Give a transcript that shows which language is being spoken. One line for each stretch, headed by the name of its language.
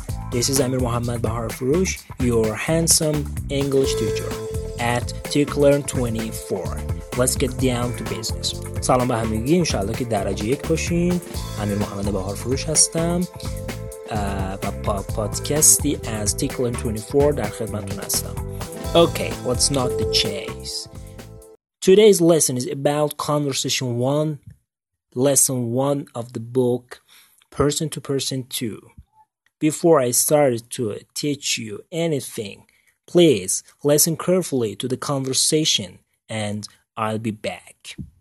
English: This is Amir Muhammad Bahar Farouche, your handsome English teacher at TikLearn24. Let's get down to business.
Persian: سلام به همگی، انشاءالله که درجه یک باشین. امیر محمد بهار فروش هستم و پادکستی از TikLearn24 در خدمتون هستم.
English: Okay, let's not the chase. Today's lesson is about conversation 1, lesson 1 of the book Person to Person 2. Before I start to teach you anything, please listen carefully to the conversation and I'll be back.